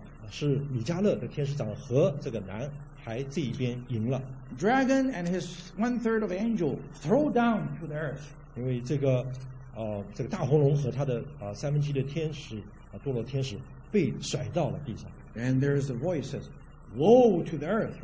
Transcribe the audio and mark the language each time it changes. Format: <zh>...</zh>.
<zh>是米迦勒的天使长和这个男。还这一边赢了。</zh> <en>Dragon and his one third of angel throw down to the earth.</en> <zh>因为这个大红龙和他的三分之一的天使堕落天使被甩到了地上。</zh> <en>And there is a voice says, "Woe to the earth!"</en>